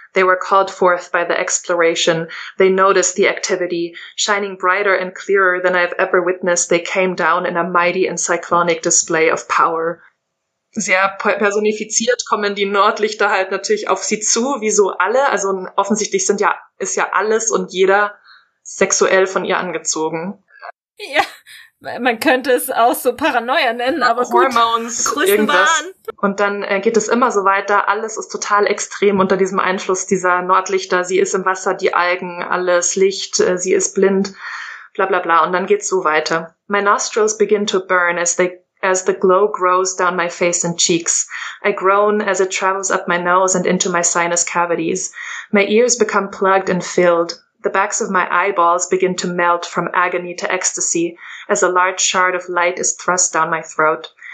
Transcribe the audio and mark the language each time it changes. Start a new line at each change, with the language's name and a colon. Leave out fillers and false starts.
English: They were called forth by the exploration. They noticed the activity. Shining brighter and clearer than I've ever witnessed, they came down in a mighty and cyclonic display of power.
German: Sehr personifiziert kommen die Nordlichter halt natürlich auf sie zu, wie so alle. Also offensichtlich ist ja alles und jeder sexuell von ihr angezogen. Ja, man könnte es auch so Paranoia nennen, aber
English: Hormones,
German: gut. Irgendwas. Und dann geht es immer so weiter. Alles ist total extrem unter diesem Einfluss dieser Nordlichter. Sie ist im Wasser, die Algen, alles Licht, sie ist blind, bla bla bla. Und dann geht's so weiter.
English: My nostrils begin to burn as the glow grows down my face and cheeks. I groan as it travels up my nose and into my sinus cavities. My ears become plugged and filled. The backs of my eyeballs begin to melt from agony to ecstasy as a large shard of light is thrust down my throat.